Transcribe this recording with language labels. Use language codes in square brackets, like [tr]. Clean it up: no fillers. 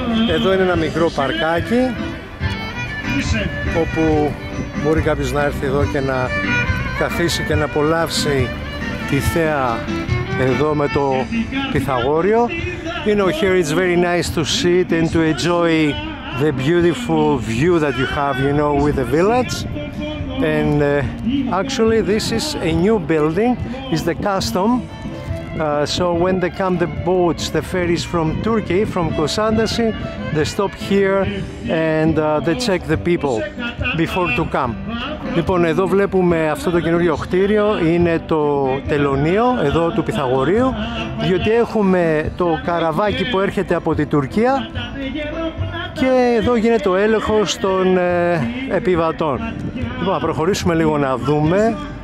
[el] Εδώ είναι ένα μικρό παρκάκι όπου μπορεί κάποιος να έρθει εδώ και να καθίσει και να απολαύσει τη θέα εδώ με το Πυθαγόριο. [en] You know, here it's very nice to sit and to enjoy the beautiful view that you have, you know, with the village. And actually this is a new building, is the custom. So when they come the boats, the ferries from Turkey, from Kosandasi, they stop here and they check the people before to come. [el] Λοιπόν, εδώ βλέπουμε αυτό το καινούριο χτίριο, είναι το τελωνείο εδώ του Πυθαγορείου, διότι έχουμε το καραβάκι που έρχεται από την Τουρκία και εδώ γίνεται ο έλεγχος των επιβατών. Λοιπόν, να προχωρήσουμε λίγο να δούμε.